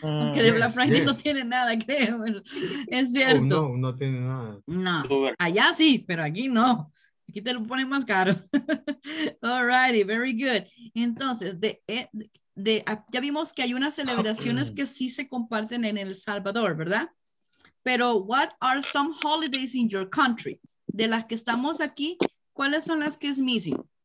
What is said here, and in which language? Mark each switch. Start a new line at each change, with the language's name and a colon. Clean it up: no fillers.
Spanish: Aunque de Black Friday no tiene nada, creo. Es cierto. Oh, no tiene nada. No. Allá sí, pero aquí no. Aquí te lo ponen más caro.
English: Alrighty, very good.
Spanish: Entonces, ya vimos que hay unas celebraciones que sí se comparten en El Salvador, ¿verdad?
English: Pero, what are some holidays in your country?
Spanish: De las que estamos aquí, ¿cuáles son las que es missing?